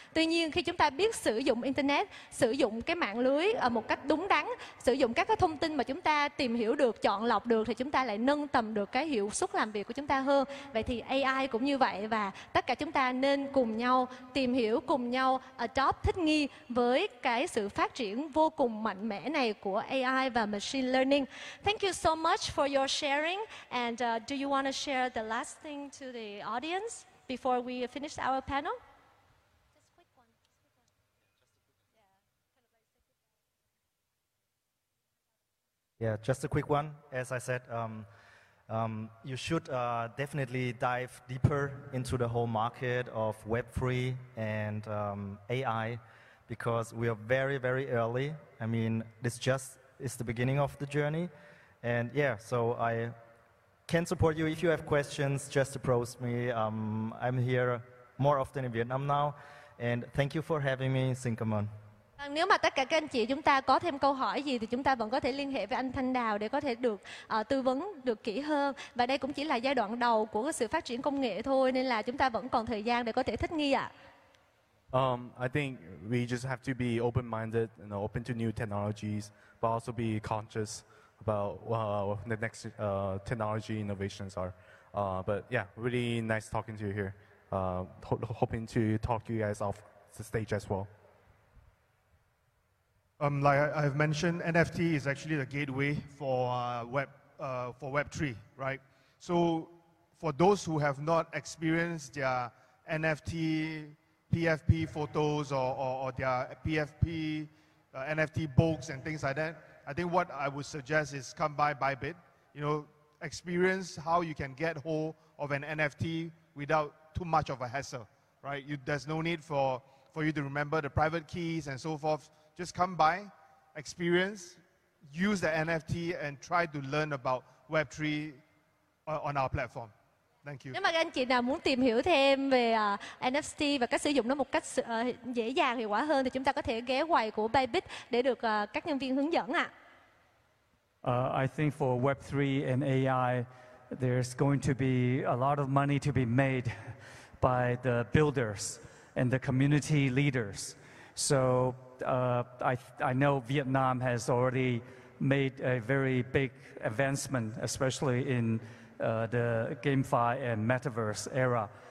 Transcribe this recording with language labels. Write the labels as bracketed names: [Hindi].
[Vietnamese] Tuy nhiên khi chúng ta biết sử dụng Internet, sử dụng cái mạng lưới một cách đúng đắn, sử dụng các cái thông tin mà chúng ta tìm hiểu được, chọn lọc được thì chúng ta lại nâng tầm được cái hiệu suất làm việc của chúng ta hơn. Vậy thì AI cũng như vậy và tất cả chúng ta nên cùng nhau tìm hiểu, cùng nhau adopt, thích nghi với cái sự phát triển vô cùng mạnh mẽ này của AI và machine learning. [English] Thank you so much for your sharing and do you want to share the last thing to the audience before we finish our panel? Yeah, just a quick one. As I said, you should definitely dive deeper into the whole market of Web3 and AI because we are very, very early. I mean, this just is the beginning of the journey. And yeah, so I can support you. If you have questions, just approach me. I'm here more often in Vietnam now. And thank you for having me, Sinkamon. [Vietnamese] Nếu mà tất cả các anh chị chúng ta có thêm câu hỏi gì thì chúng ta vẫn có thể liên hệ với anh Thanh Đào để có thể được tư vấn được kỹ hơn. Và đây cũng chỉ là giai đoạn đầu của sự phát triển công nghệ thôi nên là chúng ta vẫn còn thời gian để có thể thích nghi ạ. [English] I think we just have to be open-minded and open to new technologies but also be conscious about what the next technology innovations are. But yeah, really nice talking to you here. Hoping to talk to you guys off the stage as well. Like I've mentioned, NFT is actually the gateway for Web3, right? So for those who have not experienced their NFT PFP photos or their PFP NFT books and things like that, I think what I would suggest is come by Bybit. You know, experience how you can get hold of an NFT without too much of a hassle, right? There's no need for you to remember the private keys and so forth. Just come by, experience, use the NFT, and try to learn about Web3 on our platform. Thank you. [Vietnamese] Nếu mà các anh chị nào muốn tìm hiểu thêm về NFT và cách sử dụng nó một cách dễ dàng, hiệu quả hơn thì chúng ta có thể ghé quầy của Bybit để được các nhân viên hướng dẫn ạ. [English] I think for Web3 and AI, there's going to be a lot of money to be made by the builders and the community leaders. So I know Vietnam has already made a very big advancement, especially in the GameFi and Metaverse era.